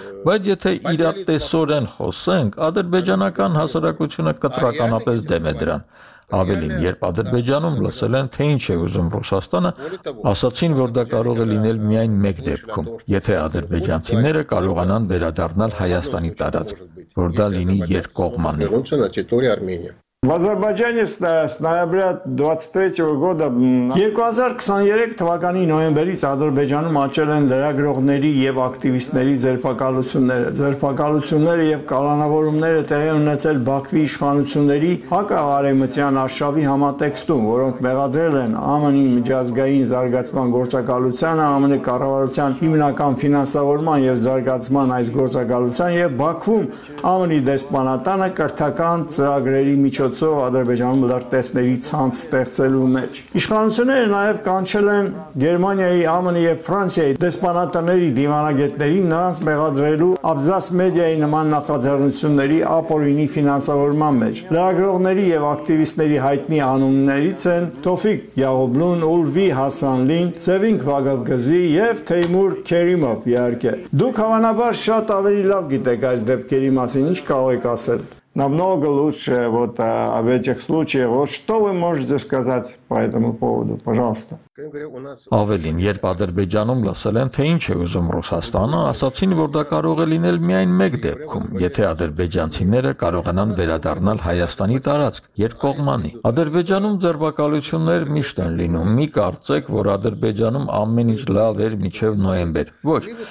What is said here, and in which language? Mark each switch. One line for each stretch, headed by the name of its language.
Armenian: Բայց եթե իրատեսորեն խոսենք, ադրբեջանական հասարակությունը կտրականապես դեմ է դրան։ Ավելին, երբ Ադրբեջանում լսել են, թե ինչ է ուզում Ռուսաստանը, ասացին, որ դա կարող է լինել միայն մեկ դեպքում, եթե ադրբեջանցիները կարողանան վերադառնալ Հայաստանի տարածք, որ դա լինի երկկողմանը։
Russian: В Азербайджане с ноября 23 года
Armenian: 2023 թվականի նոյեմբերից Ադրբեջանում աճել են լրագրողների եւ ակտիվիստների ձերբակալությունները։ Ձերբակալությունները եւ կալանավորումները տեղի ունեցել Բաքվի իշխանությունների հակաարեմության արշավի համատեքստում, որոնք մեղադրել են ԱՄՆ-ի միջազգային զարգացման գործակալությանը, ԱՄՆ կառավարության հիմնական ֆինանսավորման եւ զարգացման այս գործակալության եւ Բաքվում ԱՄՆ-ի դեսպանատանը կրթական ծրագրերի մի չոցով Ադրբեջանում լրտեսների ցանց ստեղծելու մեջ։ Իշխանությունները նաև կանչել են Գերմանիայի, ԱՄՆ-ի եւ Ֆրանսիայի դեսպանատների դիվանագետներին նրանց մեղադրելու Աբզաս մեդիայի նման նախաձեռնությունների ապօրինի ֆինանսավորման մեջ։ Լրագրողների եւ ակտիվիստների հայտնի անուններից են Թոֆիկ Յաղուբլուն, Ուլվի Հասանլին, Սևինգ Վագավգզի եւ Թեյմուր Քերիմով, իհարկե։ Դուք հավանաբար շատ ավելի լավ գիտեք այս դեպքերի մասին, ինչ կարող եք ասել։
Russian: Намного лучше вот об этих случаях. Вот что вы можете сказать по этому поводу, пожалуйста.
Armenian: Ավելին, երբ Ադրբեջանում լսել են, թե ինչ է ուզում Ռուսաստանը, ասացին, որ դա կարող է լինել միայն մեկ դեպքում, եթե ադրբեջանցիները կարողանան վերադառնալ Հայաստանի տարածք երկկողմանի։ Ադրբեջանում ձերբակալություններ միշտ են լինում։ Մի կարծեք, որ Ադրբեջանում ամեն ինչ լավ էր մինչև նոյեմբեր։ Ոչ,